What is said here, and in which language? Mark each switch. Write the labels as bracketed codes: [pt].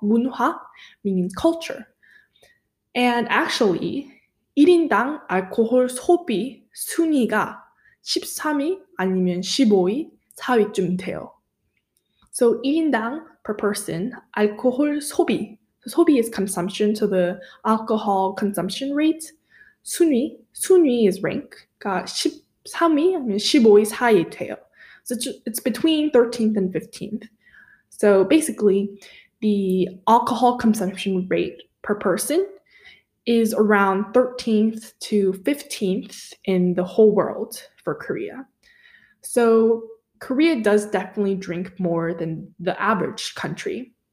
[ko] 문화 [en] means culture. And actually, [ko] 1인당 알코올 소비 순위가 13위 아니면 15위 사위쯤 돼요. [en] So 1인당 per person, 알코올 소비. So 소비 is consumption, so the alcohol consumption rate. 순위 is rank. [ko] 그러니까 13위 아니면 15위 사이 돼요. [en] So it's between 13th and 15th. So basically, the alcohol consumption rate per person is around 13th to 15th in the whole world for Korea. So Korea does definitely drink more than the average country.